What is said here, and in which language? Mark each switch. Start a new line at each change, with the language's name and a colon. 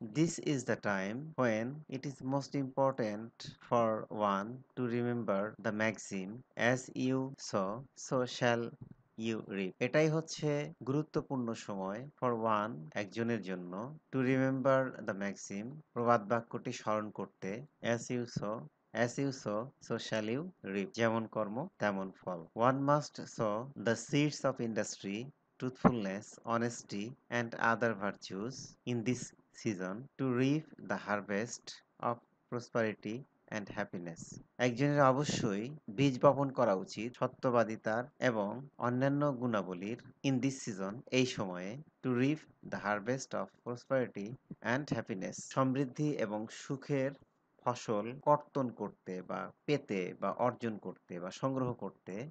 English: this is the time when it is most important for one to remember the maxim, as you sow shall you reap,
Bangla: এটাই হচ্ছে গুরুত্বপূর্ণ সময়
English: for one,
Bangla: একজনের জন্য,
English: to remember the maxim,
Bangla: প্রবাদ বাক্যটি স্মরণ করতে,
English: as you sow as you sow, so shall you reap,
Bangla: যেমন কর্ম তেমন ফল।
English: One must sow the seeds of industry, truthfulness, honesty and other virtues in this season to reap the harvest of prosperity and happiness.
Bangla: একজনের অবশ্যই বীজ বপন করা উচিত সত্যবাদিতার এবং অন্যান্য গুণাবলীর
English: in this season,
Bangla: এই সময়ে,
English: to reap the harvest of prosperity and happiness,
Bangla: সমৃদ্ধি এবং সুখের ফসল কর্তন করতে বা পেতে বা অর্জন করতে বা সংগ্রহ করতে।